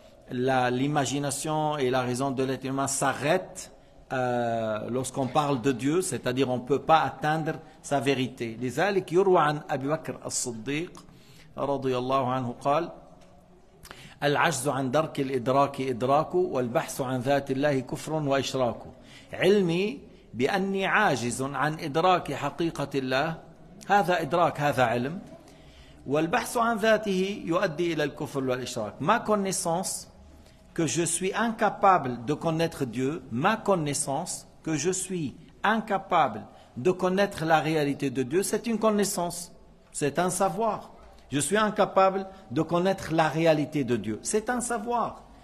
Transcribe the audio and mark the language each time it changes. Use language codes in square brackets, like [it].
[fr] L'imagination et la raison de l'être humain s'arrêtent lorsqu'on parle de Dieu, c'est-à-dire on ne peut pas atteindre sa vérité. [ar] لذلك يروى عن أبي بكر الصديق رضي الله عنه قال العجز عن درك الإدراك إدراكه والبحث عن ذات الله كفر وإشراكه. علمي بأني عاجز عن إدراك حقيقة الله هذا إدراك هذا علم. والبحث عن ذاته يؤدي إلى الكفر والإشراك. [fr] ما connaissance que je suis incapable de connaître Dieu, ma connaissance que je suis incapable de connaître la réalité de Dieu, c'est une connaissance, c'est un savoir. Je suis incapable de connaître la réalité de Dieu, c'est un savoir.